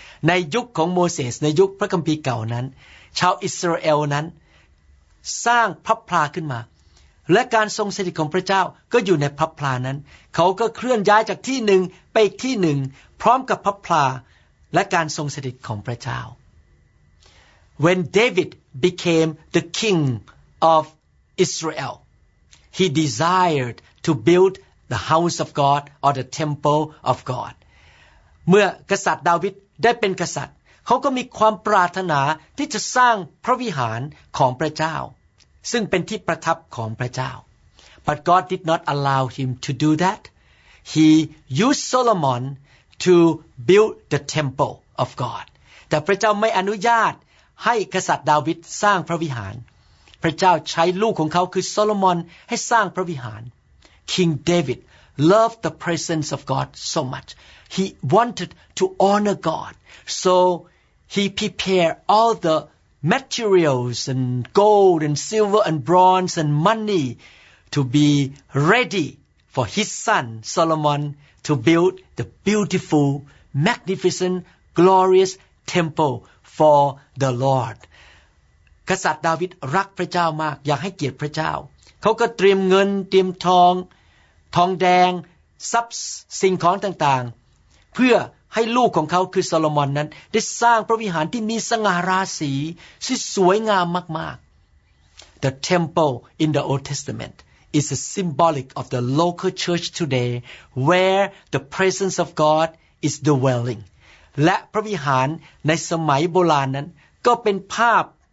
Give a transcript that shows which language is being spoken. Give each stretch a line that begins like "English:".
Thai: ในยุคของโมเสสในยุคพระคัมภีร์เก่านั้นชาวอิสราเอลนั้นสร้างพลับพลาขึ้นมาและการทรงสถิตของพระเจ้าก็อยู่ในพลับพลานั้นเขาก็เคลื่อนย้ายจากที่หนึ่งไปที่หนึ่งพร้อมกับพลับพลาและการทรงสถิตของพระเจ้า
English: When David became the king of Israel, he desired to buildThe house of God or the temple of God.
Thai: เมื่อกษัตริย์ดาวิดได้เป็นกษัตริย์เขาก็มีความปรารถนาที่จะสร้างพระวิหารของพระเจ้าซึ่งเป็นที่ประทับของพระเจ้า
English: But God did not allow him to do that. He used Solomon to build the temple of God.
Thai: แต่พระเจ้าไม่อนุญาตให้กษัตริย์ดาวิดสร้างพระวิหารพระเจ้าใช้ลูกของเขาคือโซโลมอนให้สร้างพระวิหาร
English: King David loved the presence of God so much. He wanted to honor God. So he prepared all the materials and gold and silver and bronze and money to be ready for his son Solomon to build the beautiful, magnificent, glorious temple for the Lord.
Thai: กษัตริย์ดาวิดรักพระเจ้ามากอยากให้เกียรติพระเจ้าเขาก็เตรียมเงินเตรียมทอง ทองแดงทรัพย์สิ่งของต่างๆเพื่อให้ลูกของเขาคือโซโลมอนนั้นได้สร้างพระวิหารที่มีสง่าราศีที่สวยงามมากๆ
English: The temple in the Old Testament is a symbolic of the local church today where the presence of God is dwelling
Thai: และพระวิหารในสมัยโบราณนั้นก็เป็นภาพ